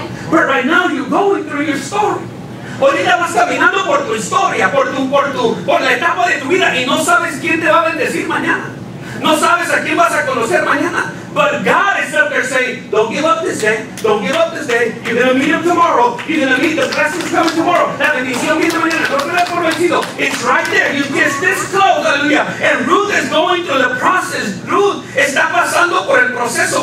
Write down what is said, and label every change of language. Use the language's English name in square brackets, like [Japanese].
[English] But right now you're going through your story. [Spanish] Ahorita vas caminando por tu historia, por la etapa de tu vida y no sabes quién te va a bendecir mañana. No sabes a quién vas a conocer mañana. [English] But God is up there saying, don't give up this day. Don't give up this day. You're going to meet him tomorrow. You're going to meet the blessings coming tomorrow. [Spanish] La bendición viene mañana. No te lo he prometido. [English] It's right there. You get this close. Hallelujah. And Ruth is going through the process. [Spanish] Ruth está pasando por el proceso.